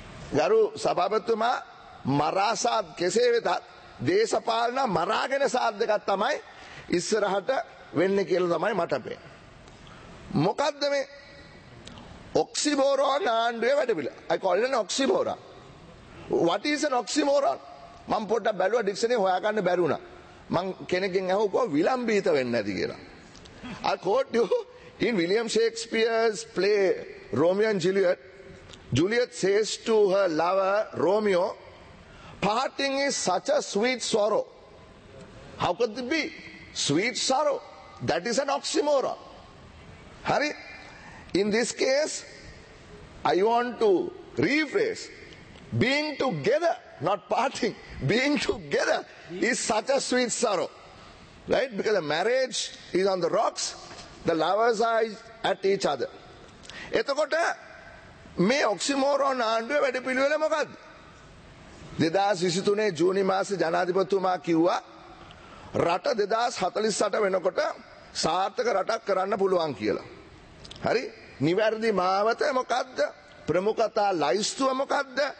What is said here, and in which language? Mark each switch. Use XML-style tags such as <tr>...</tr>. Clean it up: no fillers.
<si>ගරු සභාපතිතුමා මරාසාත් කෙසේ වෙතත් දේශපාලන මරාගෙන සාධකයක් තමයි ඉස්සරහට වෙන්නේ කියලා තමයි මට පේන්නේ. මොකද්ද මේ ඔක්සිමෝරෝන් ආණ්ඩුවේ වැඩපිළ?</si> <en>I call it an oxymoron. What is an oxymoron?</en> <si>මම පොඩ්ඩක් බැලුවා ඩික්ෂනරි හොයාගන්න බැරුණා. මං කෙනෙක්ගෙන් අහුවා විලම්බිත වෙන්නේ නැති කියලා.</si> <en>I quote you in William Shakespeare's play Romeo and Juliet. Juliet says to her lover Romeo, parting is such a sweet sorrow. How could it be? Sweet sorrow. That is an oxymoron. Hari, in this case, I want to rephrase. Being together, not parting, being together is such a sweet sorrow. Right? Because the marriage is on the rocks, the lovers are at each other.</en> <si>එතකොට මේ ඔක්සිමෝරෝන් ආණ්ඩුවේ වැඩ පිළිවෙල මොකද්ද? 2023 ජූනි මාසේ ජනාධිපතිතුමා කිව්වා රට 2048 වෙනකොට සාර්ථක රටක් කරන්න පුළුවන් කියලා. හරි, නිවැරදි මාවත මොකද්ද? ප්‍රමුඛතා ලයිස්තුව මොකද්ද?</si>